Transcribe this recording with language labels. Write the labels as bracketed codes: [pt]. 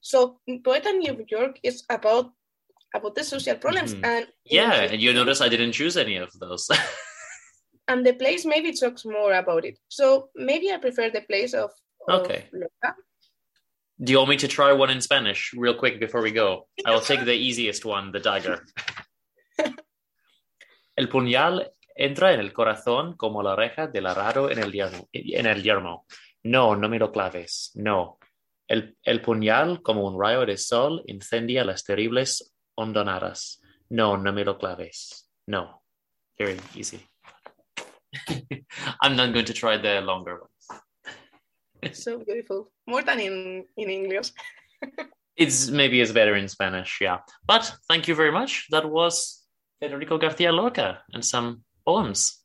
[en] So Poeta New York is about the social problems. Mm-hmm. And yeah, and you notice I didn't choose any of those. And the place maybe talks more about it. So maybe I prefer the place of Lorca. Do you want me to try one in Spanish real quick before we go? I will take the easiest one, the dagger. [es] El puñal entra en el corazón como la reja del arado en el yermo. No, no me lo claves, no. El puñal como un rayo de sol incendia las terribles hondonadas. No, no me lo claves, no. [en] Very easy. I'm not going to try the longer one. So beautiful. More than in English. It's better in Spanish, yeah. But thank you very much. That was Federico García Lorca and some poems.